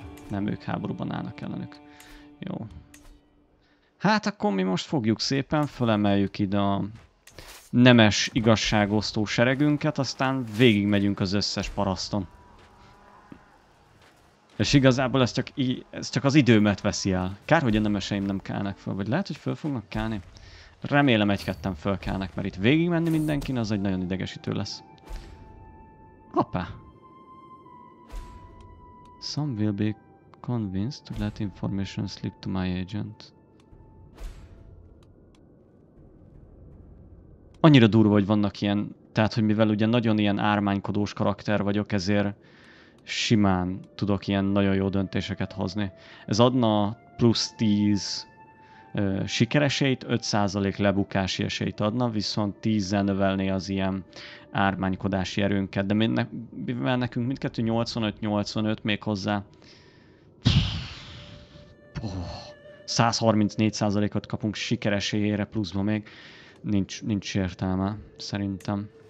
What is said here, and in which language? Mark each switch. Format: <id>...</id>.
<hu>Nem, ők háborúban állnak ellenük. Jó. Hát akkor mi most fogjuk szépen, fölemeljük ide a nemes igazságosztó seregünket, aztán végigmegyünk az összes paraszton. És igazából ez csak az időmet veszi el. Kár, hogy a nemeseim nem kelnek föl, vagy lehet, hogy föl fognak kelni? Remélem egy-ketten föl kelnek, mert itt végigmenni mindenkin, az egy nagyon idegesítő lesz. Hoppá!</hu> <en>Some will be convinced to let information slip to my agent.</en> <hu>annyira durva, hogy vannak ilyen, tehát hogy mivel ugye nagyon ilyen ármánykodós karakter vagyok, ezért simán tudok ilyen nagyon jó döntéseket hozni. Ez adna plusz 10 sikeresét, 5% lebukási esélyt adna, viszont 10-en növelné az ilyen ármánykodási erőnket, de mivel nekünk mindkettő 85-85 még hozzá, 134%-ot kapunk sikeresélyére pluszba még, nincs értelme, szerintem.</hu>